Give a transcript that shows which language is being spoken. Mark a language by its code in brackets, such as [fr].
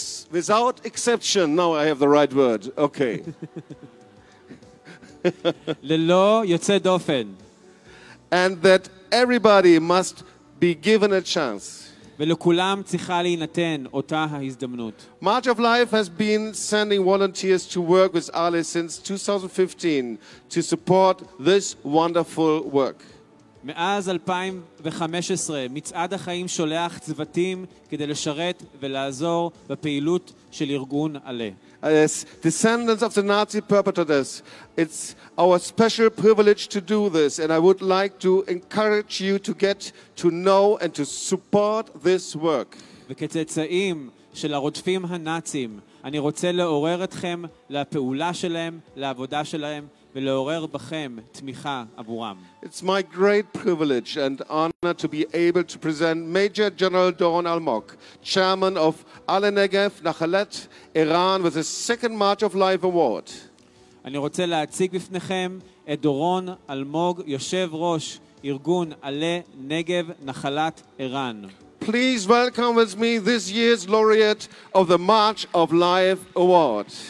[en] Without exception, now I have the right word. Okay. [he] ללא יוצא דופן. [en] And that everybody must be given a chance. [he] ולכולם צריכה להינתן אותה ההזדמנות. [en] March of Life has been sending volunteers to work with Ali since 2015 to support this wonderful work. [he] מאז 2015 מצעד החיים שולח צוותים כדי לשרת ולעזור בפעילות של ארגון עלה. [en] As descendants of the Nazi perpetrators, it's our special privilege to do this, and I would like to encourage you to get to know and to support this work. [he] וכצאצאים של הרודפים הנאצים, אני רוצה לעורר אתכם לפעולה שלהם, לעבודה שלהם, ולעורר בכם תמיכה עבורם. [en] It's my great privilege and honor to be able to present Major General Doron Almok, Chairman of Ale Negev, Nachalat, Iran, with the second March of Life Award. [he] אני רוצה להציג בפניכם את דורון אלמוג, יושב ראש ארגון עלה נגב נחלת איראן. [en] Please welcome with me this year's laureate of the March of Life Award.